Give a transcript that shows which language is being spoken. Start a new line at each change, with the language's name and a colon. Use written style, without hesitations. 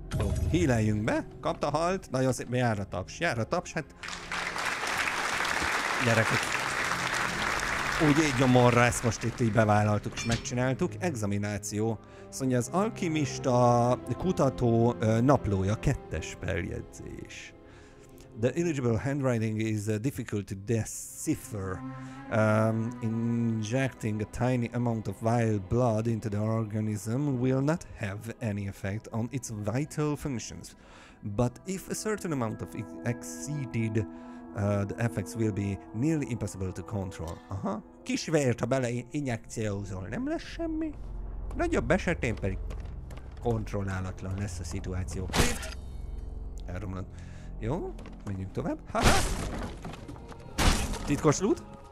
Hungarian: Jó, híleljünk be, kapta halt, nagyon szép, jár a taps, hát gyerekek, úgy így gyomorra ezt most itt így bevállaltuk és megcsináltuk, examináció, szóval az alkimista kutató naplója, kettes feljegyzés.
English: The illegible handwriting is difficult to decipher. Injecting a tiny amount of vile blood into the organism will not have any effect on its vital functions. But if a certain amount of exceeded, the effects will be nearly impossible to control. Aha.
Hungarian: Kis vért, ha bele injekciózol, nem lesz semmi. Nagyobb esetén pedig kontrollálatlan lesz a szituáció. Elromlott. Jó, menjünk tovább. Ha-ha! Titkos loot?